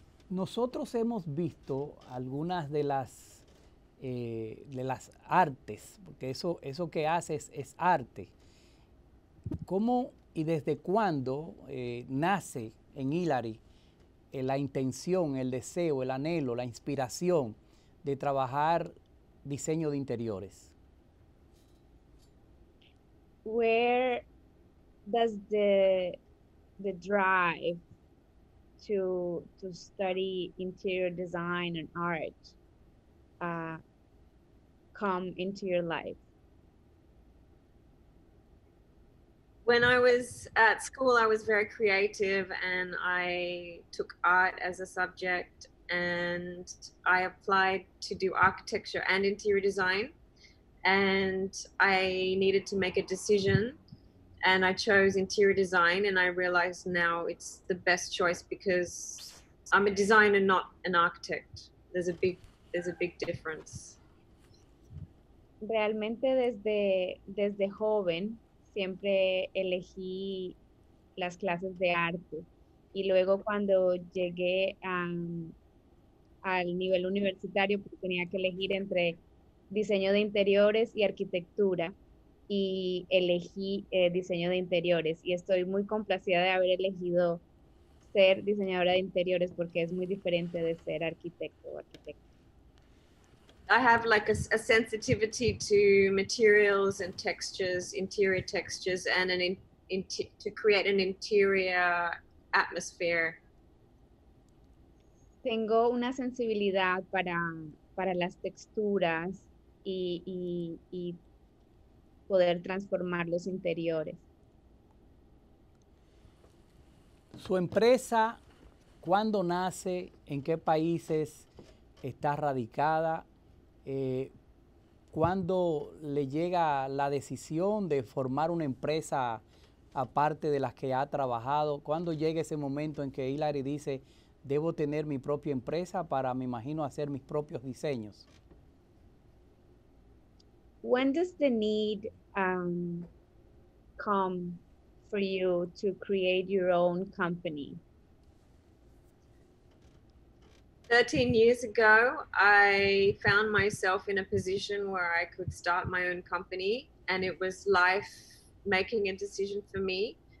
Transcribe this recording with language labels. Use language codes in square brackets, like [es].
[es] Nosotros hemos visto algunas de las artes, porque eso que haces es arte. ¿Cómo y desde cuándo nace en Hilary la intención, el deseo, el anhelo, la inspiración de trabajar diseño de interiores? [en] Where does the drive to study interior design and art come into your life? When I was at school, I was very creative and I took art as a subject, and I applied to do architecture and interior design, and I needed to make a decision and I chose interior design, and I realized now it's the best choice because I'm a designer, not an architect. There's a big difference. [es] Realmente desde joven siempre elegí las clases de arte, y luego cuando llegué al nivel universitario, pues tenía que elegir entre diseño de interiores y arquitectura, y elegí diseño de interiores, y estoy muy complacida de haber elegido ser diseñadora de interiores porque es muy diferente de ser arquitecto o arquitecta. [en] I have like a sensitivity to materials and textures, interior textures, and to create an interior atmosphere. [es] Tengo una sensibilidad para las texturas y poder transformar los interiores. Su empresa, ¿cuándo nace? ¿En qué países está radicada? ¿Cuándo le llega la decisión de formar una empresa aparte de las que ha trabajado? ¿Cuándo llega ese momento en que Hilary dice, debo tener mi propia empresa para, me imagino, hacer mis propios diseños? [en] When does the need come for you to create your own company? 13 years ago, I found myself in a position where I could start my own company, and it was life making a decision for me.